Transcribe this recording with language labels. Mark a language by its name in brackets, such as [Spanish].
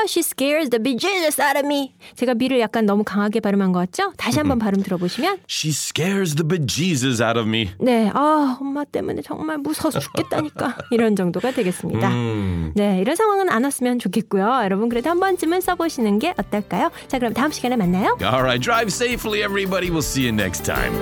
[English] She scares the bejesus out of me. [Korean] 제가 B를 약간 너무 강하게 발음한 것 같죠? 다시 한번 발음 들어보시면. [English] She scares the bejesus out of me. [Korean] 네, 아, 엄마 때문에 정말 무서워서 죽겠다니까. 이런 정도가 되겠습니다. 네, 이런 상황은 안 왔으면 좋겠고요. 여러분 그래도 한 번쯤은 써보시는 게 어떨까요? 자, 그럼 다음 시간에 만나요. [English] All right, drive safely, everybody. We'll see you next time.